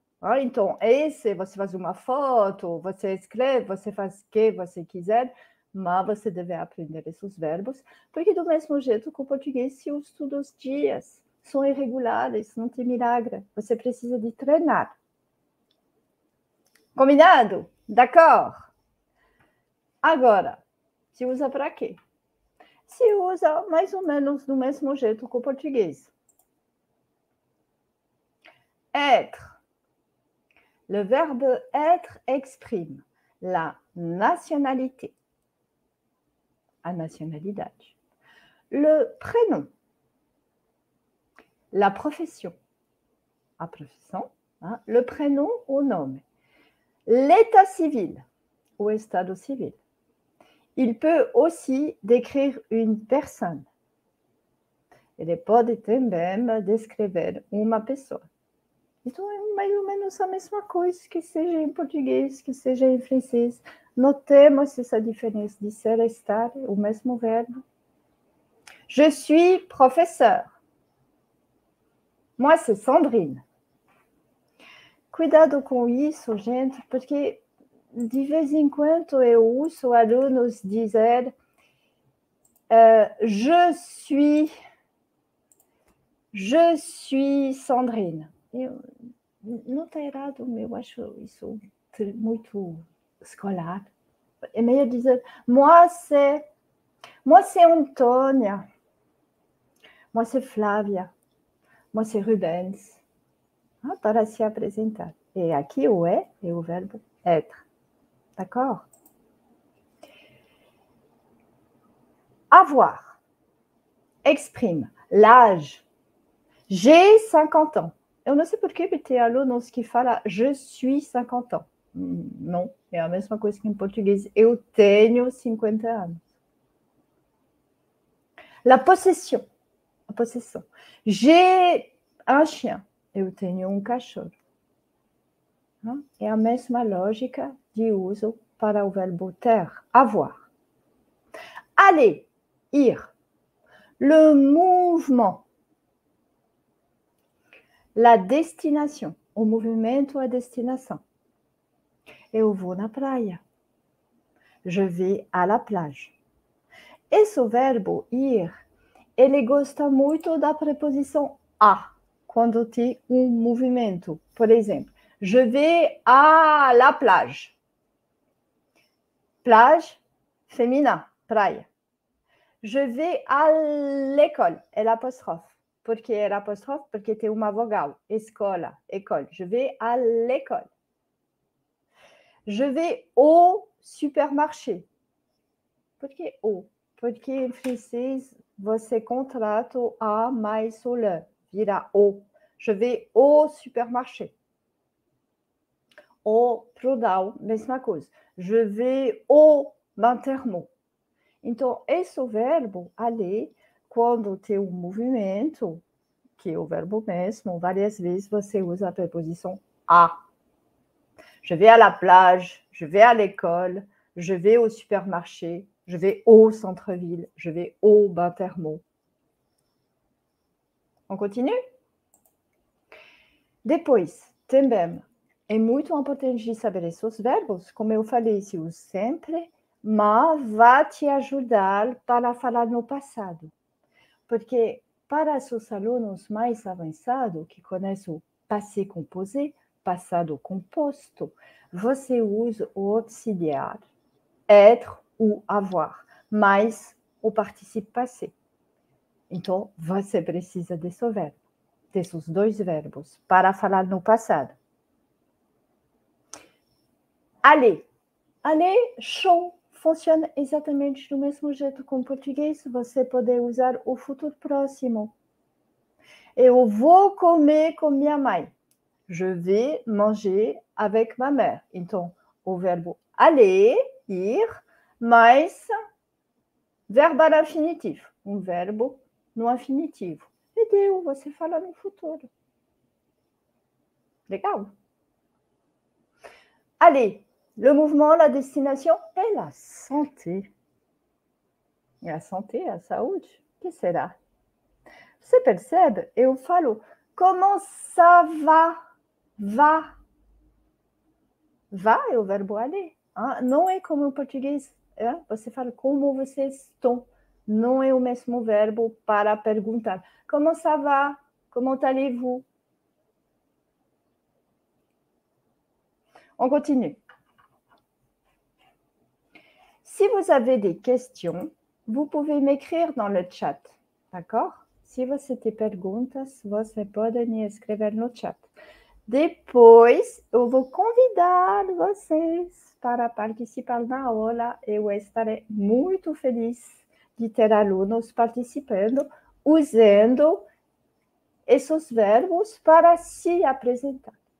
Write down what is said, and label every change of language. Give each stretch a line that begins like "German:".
Portuguese: Ah, então, esse, você faz uma foto, você escreve, você faz o que você quiser, mas você deve aprender esses verbos, porque do mesmo jeito que o português se usa todos os dias, são irregulares, não tem milagre, você precisa de treinar. Combinado? D'accord? Agora, se usa para quê? Se usa mais ou menos do mesmo jeito que o português.
French: Être. Le verbe être exprime la nationalité, la nationalidade, le prénom, la profession, a profession, hein, le prénom ou nom, l'état civil,
Portuguese: ou estado civil.
French: Il peut aussi décrire une personne. Il peut aussi même
Portuguese: descrever uma pessoa. Então, é mais ou menos a mesma coisa, que seja em português, que seja em francês. Notemos essa diferença de ser e estar, o mesmo verbo.
French: Je suis professeur. Moi, c'est Sandrine.
Portuguese: Cuidado com isso, gente, porque de vez em quando eu ouço alunos dizer
French: je suis Sandrine.
Portuguese: Eu, não está errado, mas eu acho isso muito escolar. É meio dizer,
French: moi c'est Antônia, moi c'est Flávia, moi c'est Rubens,
Portuguese: ah, para se apresentar. E aqui o é o verbo être, d'accord?
French: Avoir, exprime, l'âge, j'ai 50 ans.
Portuguese: Eu não sei porquê, mas tem alunos que falam
French: je suis 50 ans.
Portuguese: Não, é a mesma coisa que em português. Eu tenho 50 anos.
French: La possession. A possession. J'ai un chien.
Portuguese: Eu tenho um cachorro. É a mesma lógica de uso para o verbo ter, avoir.
French: Aller, ir. Le mouvement. La destination,
Portuguese: o movimento, a destinação. Eu vou na praia.
French: Je vais à la plage.
Portuguese: Esse verbo ir, ele gosta muito da preposição à, quando tem movimento. Por exemplo,
French: je vais à la plage. Plage, féminin, praia. Je vais à l'école, é l'apostrophe.
Portuguese: Porque era apostrofe, porque tem uma vogal. Escola, école.
French: Je vais à l'école. Je vais au supermarché.
Portuguese: Porque o? Porque precisa, você contrata o A mais o le, vira o.
French: Je vais au supermarché. Au plural,
Portuguese: mesma coisa.
French: Je vais au Intermo.
Portuguese: Então, esse verbo, aller, quando tem um movimento, que é o verbo mesmo, várias vezes você usa a preposição à.
French: Je vais à la plage, je vais à l'école, je vais au supermarché, je vais au centre-ville, je vais au Intermo. On continue?
Portuguese: Depois, também, é muito importante saber esses verbos, como eu falei, se usa sempre. Mas vai te ajudar para falar no passado. Porque para seus alunos mais avançados, que conhecem o passé composé, passado composto, você usa o auxiliar, être ou avoir, mais o participe passé. Então, você precisa desse verbo, desses dois verbos, para falar no passado.
French: Allez, allez, chaud!
Portuguese: Funciona exatamente do mesmo jeito com o português. Você pode usar o futuro próximo. Eu vou comer com minha mãe.
French: Je vais manger avec ma mère.
Portuguese: Então, o verbo aller, ir, mais verbo à l'infinitif. Um verbo no infinitivo. Entendeu? Você fala no futuro. Legal?
French: Allez! Le mouvement, la destination est la santé.
Portuguese: E a santé, a saúde, que será? Você percebe? Eu falo,
French: comment ça va? Va.
Portuguese: Va é o verbo aller. Hein? Não é como o português. Hein? Você fala, como vocês estão? Não é o mesmo verbo para perguntar.
French: Comment ça va? Comment allez-vous? On continue. Si vous avez des questions, vous pouvez m'écrire dans le chat, d'accord?
Portuguese: Si você tem perguntas, você pode me escrever no chat. Depois, eu vou convidar vocês para participar na aula e eu estarei muito feliz de ter alunos participando, usando esses verbos para se apresentar.